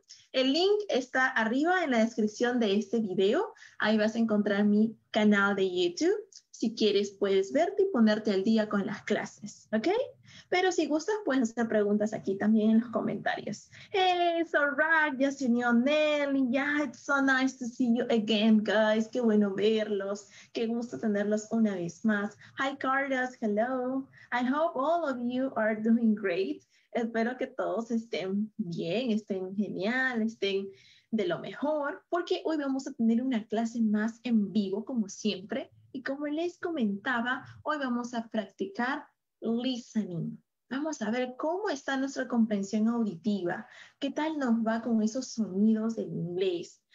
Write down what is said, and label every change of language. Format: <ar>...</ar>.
<es>El link está arriba en la descripción de este video. Ahí vas a encontrar mi canal de YouTube. Si quieres, puedes verte y ponerte al día con las clases, ¿ok? Pero si gustas, puedes hacer preguntas aquí también en los comentarios. Hey, Sorak, ya se unió Nelly.</es> <en>Yeah, it's so nice to see you again, guys.</en> <es>Qué bueno verlos. Qué gusto tenerlos una vez más.</es> <en>Hi, Carlos. Hello. I hope all of you are doing great.</en> <es>Espero que todos estén bien, estén genial, estén de lo mejor. Porque hoy vamos a tener una clase más en vivo, como siempre. Y como les comentaba, hoy vamos a practicar listening. Vamos a ver cómo está nuestra comprensión auditiva. ¿Qué tal nos va con esos sonidos del inglés?</es>